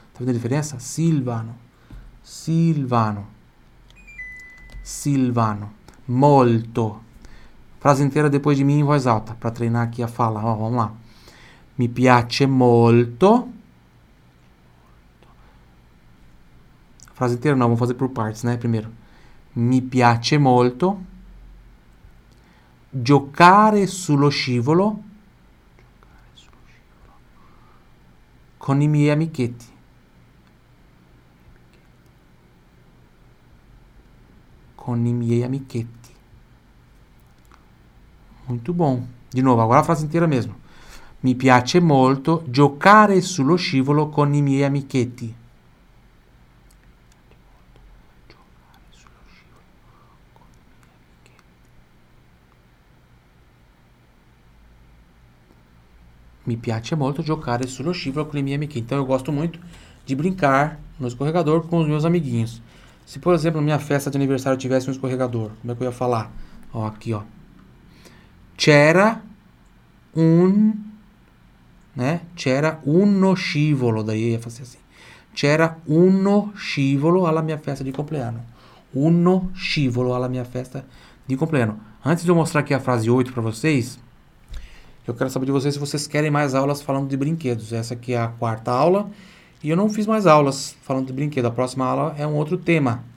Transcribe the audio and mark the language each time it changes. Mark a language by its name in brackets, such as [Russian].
[Portuguese] Tá vendo a diferença? Silvano. Silvano. Silvano. Molto. Frase inteira depois de mim em voz alta, para treinar aqui a fala. Ó, vamos lá. [Italian] Mi piace molto. [Portuguese] Frase inteira não, vamos fazer por partes, né? Primeiro. [Italian] Mi piace molto giocare sullo scivolo con i miei amichetti. Con i miei amichetti. Molto buono. Di nuovo, guarda la frase intera mesmo. Mi piace molto giocare sullo scivolo con i miei amichetti. Mi piace molto giocare sullo scivolo con i miei amichetti. [Portuguese] Então, eu gosto muito de brincar no escorregador com os meus amiguinhos. Se, por exemplo, minha festa de aniversário tivesse um escorregador, como é que eu ia falar? Ó, aqui, ó. [Italian] C'era un, [Portuguese] né? [Italian] C'era uno scivolo. [Portuguese] Daí eu ia fazer assim. [Italian] C'era uno scivolo alla mia festa di compleanno. Uno scivolo alla mia festa di compleanno. [Portuguese] Antes de eu mostrar aqui a frase 8 para vocês, eu quero saber de vocês se vocês querem mais aulas falando de brinquedos. Essa aqui é a quarta aula. E eu não fiz mais aulas falando de brinquedo. A próxima aula é um outro tema.